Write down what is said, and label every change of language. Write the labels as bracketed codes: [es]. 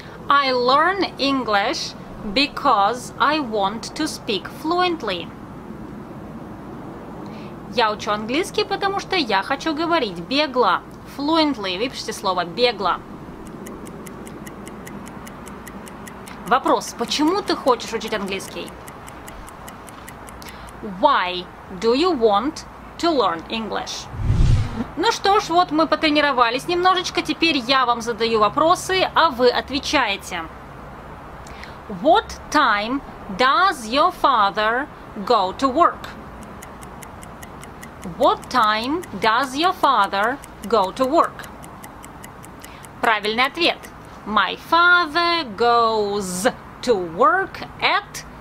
[en] I learn English because I want to speak fluently. [ru] Я учу английский, потому что я хочу говорить бегло. Fluently. Выпишите слово бегло. Вопрос. Почему ты хочешь учить английский? [en] Why do you want to learn English? [ru] Ну что ж, вот мы потренировались немножечко. Теперь я вам задаю вопросы, а вы отвечаете. [en] What time does your father go to work? What time does your father go to work? [ru] Правильный ответ. [en] My father goes to work at...